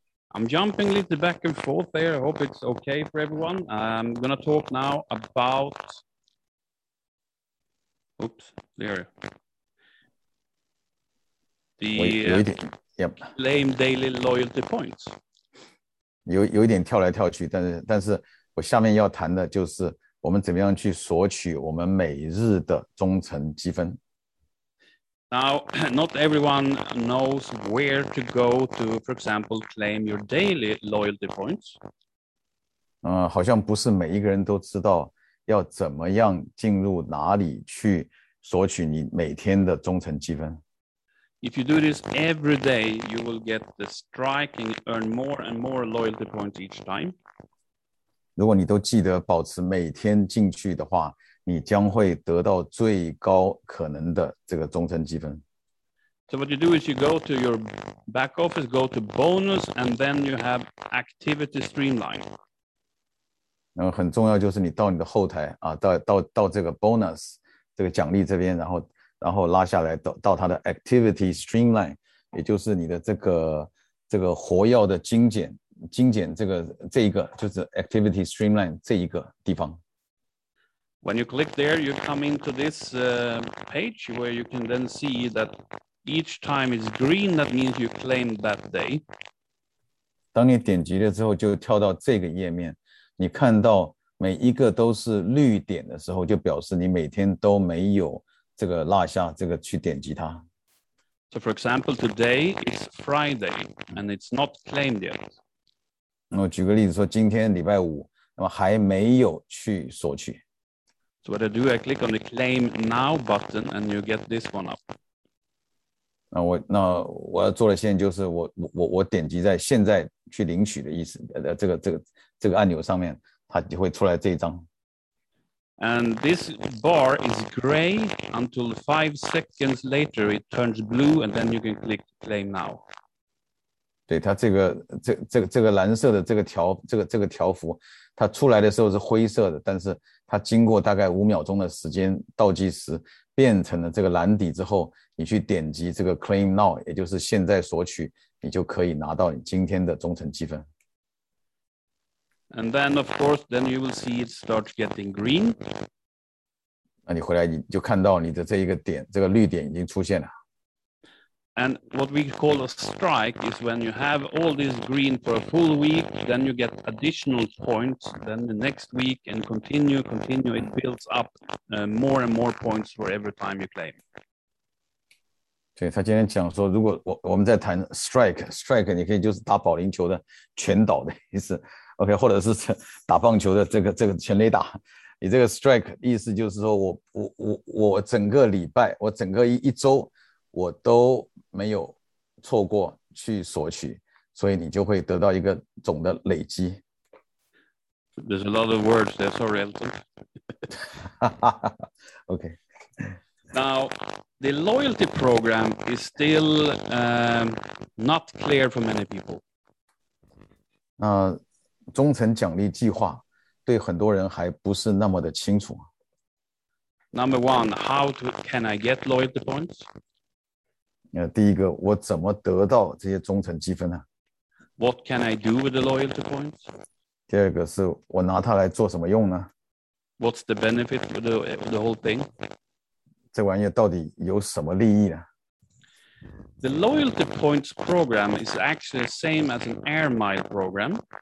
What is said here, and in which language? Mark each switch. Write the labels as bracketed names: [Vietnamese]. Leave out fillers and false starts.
[English] I'm jumping a little back and forth there. I hope it's okay for everyone. I'm going to talk now about... Oops, there. The claim daily loyalty points. [Chinese] 有一点跳来跳去，但是我下面要谈的就是我们怎么样去索取我们每日的忠诚积分。 [English] Now, not everyone knows where to go to, for example, claim your daily loyalty points. [Chinese] 好像不是每一个人都知道要怎么样进入哪里去索取你每天的忠诚积分。 [English] If you do this every day, you will get the strike and earn more and more loyalty points each time. [Chinese] 如果你都记得保持每天进去的话，你将会得到最高可能的这个忠诚积分。 [English] So what you do is you go to your back office, go to bonus, and then you have activity streamline. [Chinese] 然后很重要就是你到你的后台啊，到这个 bonus 这个奖励这边，然后拉下来到它的 activity streamline， 也就是你的这个活跃的精简这一个就是 activity streamline 这一个地方。 [English] When you click there, you come into this page where you can then see that each time is green, that means you claim that day. [Chinese] 当你点击了之后，就跳到这个页面，你看到每一个都是绿点的时候，就表示你每天都没有这个落下这个去点击它。 [English] So for example, today is Friday and it's not claimed yet. [Chinese] 我举个例子说，今天礼拜五，那么还没有去索取。 [English] So what I do, I click on the claim now button and you get this one up. [Chinese] 那我要做的现在就是我点击在现在去领取的意思，这个按钮上面，它就会出来这一张。 [English] And this bar is gray until 5 seconds later it turns blue and then you can click claim now. [Chinese] 对，它这个蓝色的这个条幅，它出来的时候是灰色的，但是它经过大概五秒钟的时间倒计时变成了这个蓝底之后，你去点击这个 claim now， 也就是现在索取，你就可以拿到你今天的忠诚积分。 [English] And then, of course, then you will see it start getting green. [Chinese] 那你回来你就看到你的这一个点，这个绿点已经出现了。 [English] And what we call a strike is when you have all this green for a full week, then you get additional points, then the next week and continue, it builds up more and more points for every time you claim. [Chinese] 对，他今天讲说，如果我们在谈 strike， 你可以就是打保龄球的全倒的意思。 OK， 或者是打棒球的这个全垒打，你这个 strike 意思就是说我整个礼拜，我整个一周我都没有错过去索取，所以你就会得到一个总的累积。 [English] There's a lot of words there, sorry, Elton. OK. Now, the loyalty program is still not clear for many people. [Chinese] 忠诚奖励计划对很多人还不是那么的清楚。 [English] Number one, how can I get loyalty points? [Chinese] 第一个，我怎么得到这些忠诚积分呢？ [English] What can I do with the loyalty points? [Chinese] 第二个是，我拿它来做什么用呢？ [English] What's the benefit of the whole thing? [Chinese] 这玩意到底有什么利益呢？ [English] The loyalty points program is actually the same as an air mile program.